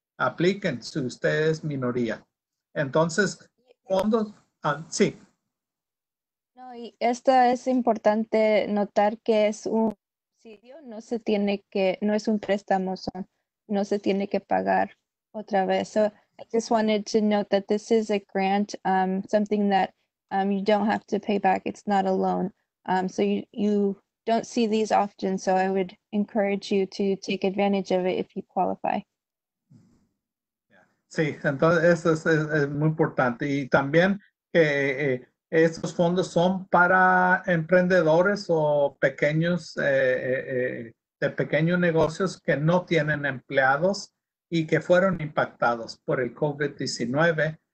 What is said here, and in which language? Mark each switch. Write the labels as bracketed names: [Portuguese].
[Spanish] Apliquen si usted es minoría. Entonces, fondos, sí. No, y esto es importante notar que es un subsidio, no se tiene que, no es un préstamo, no se tiene que pagar otra vez. [English] So I just wanted to note that this is a grant, something that you don't have to pay back. It's not a loan. So you don't see these often. So I would encourage you to take advantage of it if you qualify. [Spanish] Sí, entonces eso es muy importante. Y también que estos fondos son para emprendedores o pequeños, de pequeños negocios que no tienen empleados y que fueron impactados por el COVID-19.